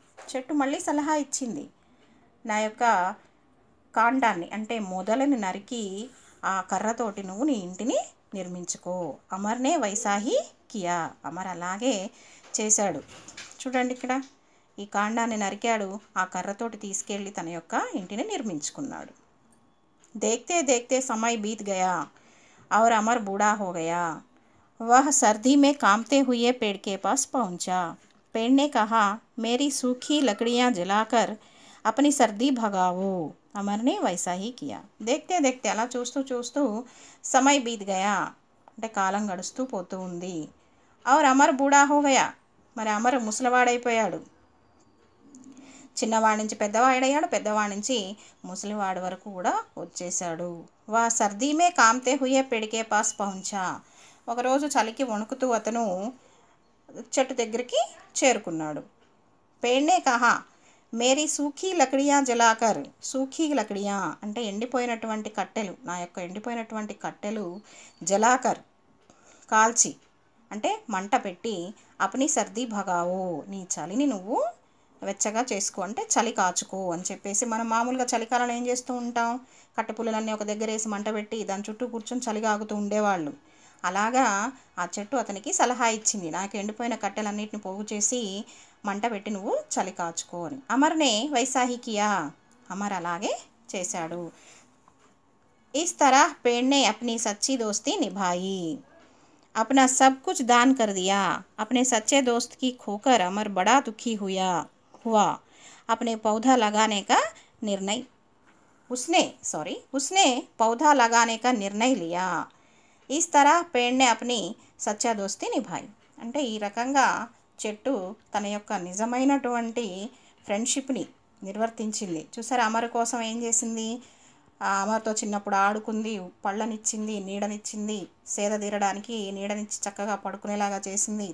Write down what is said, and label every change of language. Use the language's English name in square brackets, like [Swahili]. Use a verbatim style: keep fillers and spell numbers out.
[Telugu] చెట్టు మళ్ళీ సలహా ఇచ్చింది, నా యొక్క కాండాన్ని అంటే మొదలని నరికి ఆ కర్రతోటి నువ్వు నీ ఇంటిని నిర్మించుకో. [Hindi] అమర్నే వైసాహి కియా. [Telugu] అమర్ అలాగే చేశాడు. చూడండి, ఇక్కడ ఈ కాండాన్ని నరికాడు, ఆ కర్రతోటి తీసుకెళ్ళి తన యొక్క ఇంటిని నిర్మించుకున్నాడు. [Hindi] దేఖతే దేఖతే సమయ్ బీత్ గయా और अमर बूढ़ा हो गया. वह सर्दी में कांपते हुए पेड़ के पास पहुंचा. पेड़ ने कहा, मेरी सूखी लकड़ियां जलाकर अपनी सर्दी भगाओ. अमर ने वैसा ही किया. देखते देखते [Telugu] అలా చూస్తూ చూస్తూ [Hindi] సమయ్ బీత్ గయా [Telugu] అంటే కాలం గడుస్తూ పోతూ ఉంది. [Hindi] और అమర్ బూఢా హో గయా, [Telugu] మరి అమర్ ముసలివాడైపోయాడు. చిన్నవాడి నుంచి పెద్దవాడయ్యాడు, పెద్దవాడి నుంచి ముసలివాడి వరకు కూడా వచ్చేసాడు. [Hindi] వా సర్దీమే కాంతే హుయే పెడికే పాస్ పహుంచా. [Telugu] ఒకరోజు చలికి వణుకుతూ అతను చెట్టు దగ్గరికి చేరుకున్నాడు. [Hindi] పేడ్నే కహా మేరీ సూఖీ లకడియా జలాకర్. [Telugu] సూఖీ లకడియా అంటే ఎండిపోయినటువంటి కట్టెలు, నా యొక్క ఎండిపోయినటువంటి కట్టెలు జలాకర్ కాల్చి అంటే మంట పెట్టి [Hindi] అప్ని సర్దీ భగావో, [Telugu] నీ చలిని నువ్వు వెచ్చగా చేసుకో అంటే చలి కాచుకో అని చెప్పేసి మనం మామూలుగా చలికాలంలో ఏం చేస్తూ ఉంటాం, కట్టెపుల్లలన్నీ ఒక దగ్గర వేసి మంట పెట్టి దాని చుట్టూ కూర్చొని చలిగాగుతూ ఉండేవాళ్ళు. అలాగా ఆ చెట్టు అతనికి సలహా ఇచ్చింది, నాకు ఎండిపోయిన కట్టెలన్నిటిని పోగు చేసి మంట పెట్టి నువ్వు చలి కాచుకో అని. [Hindi] అమర్నే వైసాహికియా. [Telugu] అమర్ అలాగే చేశాడు. [Hindi] इस तरह पेड़ ने अपनी सच्ची दोस्ती निभाई. अपना सब कुछ दान कर दिया. अपने सच्चे दोस्त की खोकर अमर बड़ा दुखी हुआ हुआ अपने पौधा लगाने का निर्णय उसने सॉरी उसने पौधा लगाने का निर्णय लिया. इस तरह पेड़ ने अपनी सच्चा दोस्ती निभाई. [Telugu] అంటే ఈ రకంగా చెట్టు తన యొక్క నిజమైనటువంటి ఫ్రెండ్షిప్ని నిర్వర్తించింది. చూసారా, అమర్ కోసం ఏం చేసింది, అమర్తో చిన్నప్పుడు ఆడుకుంది, పళ్ళనిచ్చింది, నీడనిచ్చింది, సేద తీరడానికి నీడనిచ్చి చక్కగా పడుకునేలాగా చేసింది.